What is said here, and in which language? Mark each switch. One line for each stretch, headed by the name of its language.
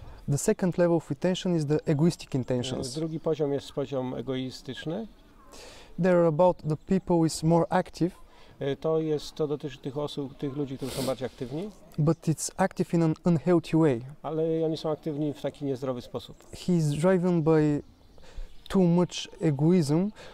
English: The second level of intention is the egoistic intentions.
Polish: Drugi poziom jest poziom egoistyczny.
English: They're about the people who is more active.
Polish: To dotyczy tych osób, tych ludzi, którzy są bardziej aktywni.
English: But it's active in an unhealthy way.
Polish: Ale oni są aktywni w taki niezdrowy sposób.
English: He is driven by too much egoism.